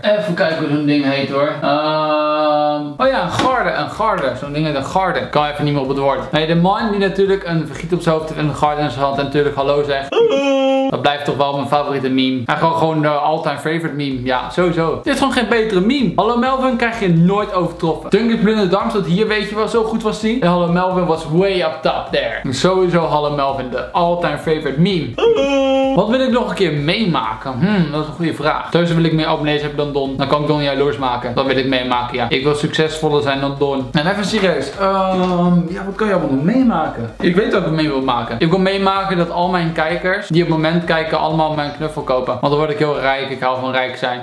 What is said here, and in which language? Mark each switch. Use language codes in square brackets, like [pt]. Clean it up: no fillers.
[nl] Even kijken hoe zo'n ding heet hoor. Een garde. Zo'n ding heet een garde. Kan even niet meer op het woord. Nee, de man die natuurlijk een vergiet op zijn hoofd heeft en een garde in zijn hand en natuurlijk hallo zegt. Hallo. Dat blijft toch wel mijn favoriete meme. En gewoon de [en] all-time favorite meme. [nl] Ja, sowieso. Dit is gewoon geen betere meme. Hallo Melvin krijg je nooit overtroffen. Duncan Blinde Darm staat hier, weet je wel, zo goed was die. [en] En Hallo Melvin was way up top there. [nl] En sowieso Hallo Melvin, de [en] all-time favorite meme. [nl] Hallo. Wat wil ik nog een keer meemaken? Dat is een goede vraag. Sowieso wil ik meer abonnees hebben dan Don. Dan kan ik Don jaloers maken. Dat wil ik meemaken, ja. Ik wil succesvoller zijn dan Don. En even serieus. Wat kan je allemaal nog meemaken? Ik weet wat ik mee wil maken. Ik wil meemaken dat al mijn kijkers, die op het moment kijken, allemaal mijn knuffel kopen. Want dan word ik heel rijk. Ik hou van rijk zijn.